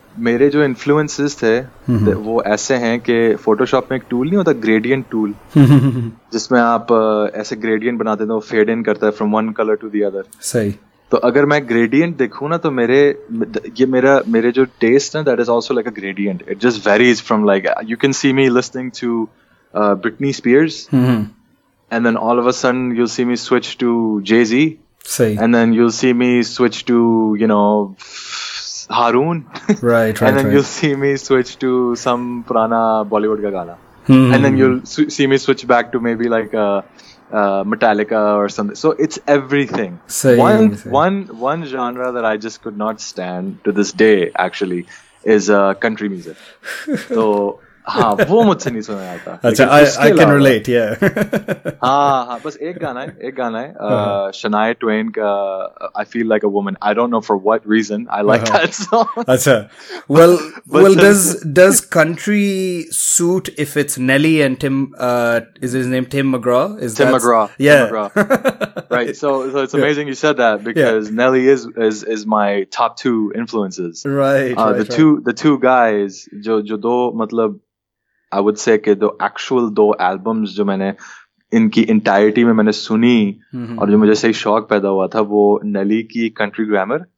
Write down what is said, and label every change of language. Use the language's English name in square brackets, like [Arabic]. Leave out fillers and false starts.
[Hindi] मेरे जो इन्फ्लुएंसेस थे वो ऐसे हैं कि फोटोशॉप में एक टूल नहीं होता ग्रेडियंट टूल, जिसमें आप ऐसे ग्रेडियंट बनाते हैं, वो फेड इन करता है [English] From one colour to the other. [Hindi] सही. तो अगर मैं ग्रेडियंट देखूँ ना तो मेरे जो टेस्ट है [English] That is also like a gradient. It just varies from like you can see me listening to Britney Spears, and then all of a sudden you'll see me switch to Jay-Z. Say. And then you'll see me switch to, you know, Haroon. Right. And then right. You'll see me switch to some [Hindi] purana Bollywood ka gana. [English] And then you'll see me switch back to maybe like Metallica or something. So it's everything. Say. One genre that I just could not stand to this day actually is country music. So. [Hindi] हाँ वो मुझसे नहीं सुना जाता. [English] अच्छा, I can relate, yeah. [Hindi] हाँ, बस एक गाना है शनाया ट्वेन का I feel like a woman. [English] I don't know for what reason I like that song. अच्छा, well does country suit if it's Nelly and Tim is his name Tim McGraw? Is Tim McGraw? Yeah. Tim McGraw. Right. So it's amazing you said that because Nelly is my top two influences. Right. The two guys [Hindi] जो दो मतलब [English] I would say [Hindi] कि दो actual दो albums जो मैंने इनकी entirety में मैंने सुनी और जो मुझे सही शौक पैदा हुआ था वो Nelly की Country Grammar